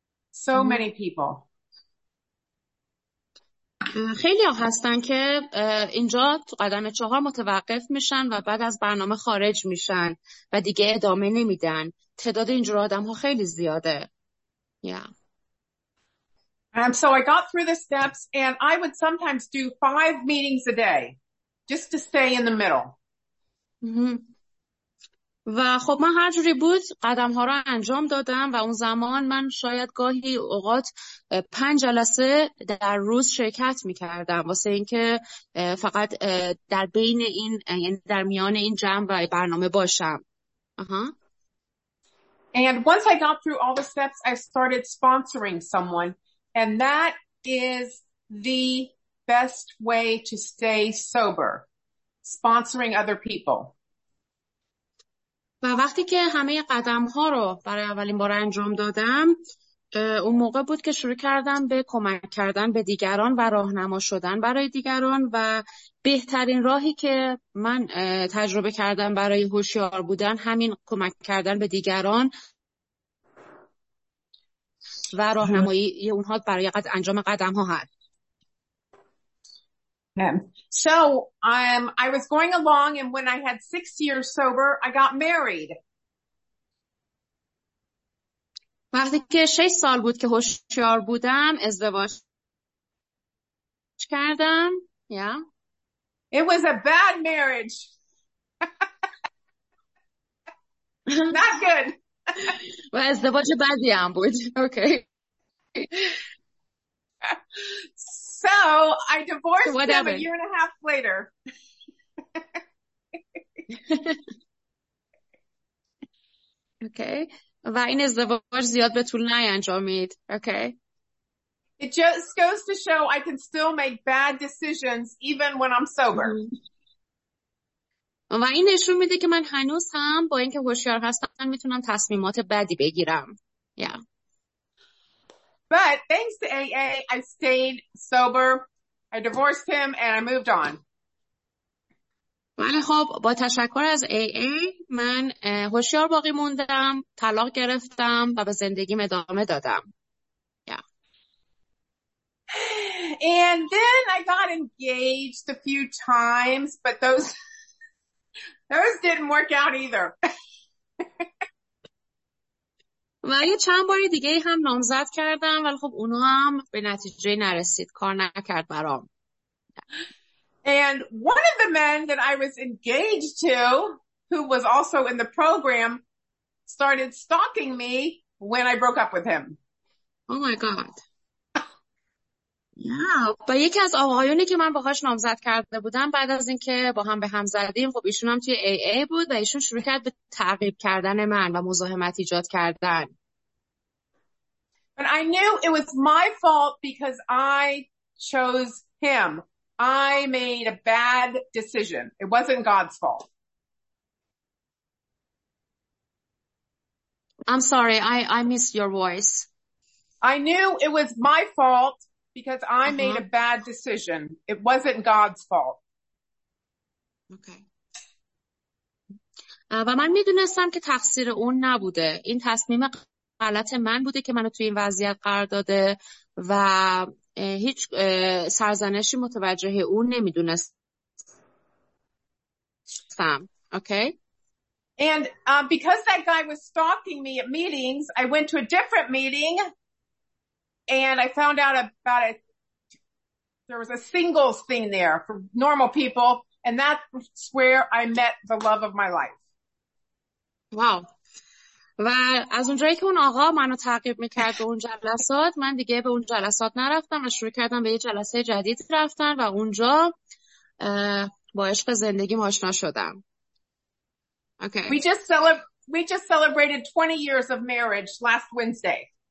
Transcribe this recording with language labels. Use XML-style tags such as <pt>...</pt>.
<en>So many people.</en> <fa>خیلی ها هستن که اینجا تو قدم چهار متوقف میشن و بعد از برنامه خارج میشن و دیگه ادامه نمیدن. تعداد اینجور آدم ها خیلی زیاده.</fa> <en>Yeah. So I got through the steps and I would sometimes do 5 meetings a day just to stay in the middle.</en> <fa>و خب من هر جوری بود قدم ها رو انجام دادم و اون زمان من شاید گاهی اوقات 5 جلسه در روز شرکت می کردم واسه اینکه فقط در بین این، یعنی در میان این جمع و برنامه باشم.</fa> <en>And once I got through all the steps, I started sponsoring someone, and that is the best way to stay sober. Sponsoring other people.</en> <fa>و وقتی که همه قدم ها رو برای اولین بار انجام دادم، اون موقع بود که شروع کردم به کمک کردن به دیگران و راهنما شدن برای دیگران و بهترین راهی که من تجربه کردم برای هوشیار بودن همین کمک کردن به دیگران و راهنمایی اونها برای انجام قدم ها هست.</fa> <en>So I was going along, and when I had 6 years sober, I got married.</en> <fa>وقتی که 6 سال بود که هوشیار بودم ازدواج کردم.</fa> <en>Yeah. It was a bad marriage. Not good.</en> <fa>و ازدواج بدی هم بود.</fa> <en>Okay. So I divorced him a year and a half later. Okay.</en> <fa>و این ازدواج زیاد به طول نیانجامید.</fa> <en>Okay. It just goes to show I can still make bad decisions even when I'm sober.</en> <fa>و این نشون میده که من هنوز هم با اینکه هوشیار هستم میتونم تصمیمات بدی بگیرم.</fa> <en>Yeah. But thanks to AA, I stayed sober. I divorced him and I moved on.</en> <fa>ولی خب با تشکر از AA من هوشیار باقی موندم، طلاق گرفتم و به زندگیم ادامه دادم.</fa> <en>Yeah. And then I got engaged a few times, but those didn't work out either.</en> <fa>و یه چند باری دیگه هم نامزد کردم ولی خب اونو هم به نتیجه نرسید، کار نکرد برام.</fa> <en>And one of the men that I was engaged to, who was also in the program, started stalking me when I broke up with him. Oh my god. Yeah.</en> <fa>و یکی از آقایونی که من باهاش نامزد کرده بودم بعد از اینکه با هم به هم زدیم، خب ایشون هم توی AA بود و ایشون شروع کرد به تعقیب کردن من و مزاحمت ایجاد کردن.</fa> <en>And I knew it was my fault because I chose him. I made a bad decision. It wasn't God's fault. I'm sorry. I missed your voice. I knew it was my fault because I made a bad decision. It wasn't God's fault. Okay.</en> <fa>و من میدونستم که تقصیر اون نبوده. این تصمیم غلط من بوده که منو توی این وضعیت قرار داده و هیچ سرزنشی متوجه اون نمیدونستم.</fa> <en>Okay. And because that guy was stalking me at meetings, I went to a different meeting and I found out about it. There was a singles thing there for normal people, and that's where I met the love of my life. Wow.</en> <fa>و از اونجایی که اون آقا منو تعقیب میکرد به اون جلسات، من دیگه به اون جلسات نرفتم و شروع کردم به یه جلسه جدید رفتن و اونجا با عشق زندگی آشنا شدم.</fa> <en>Okay. We just celebrated 20 years of marriage last Wednesday.</en>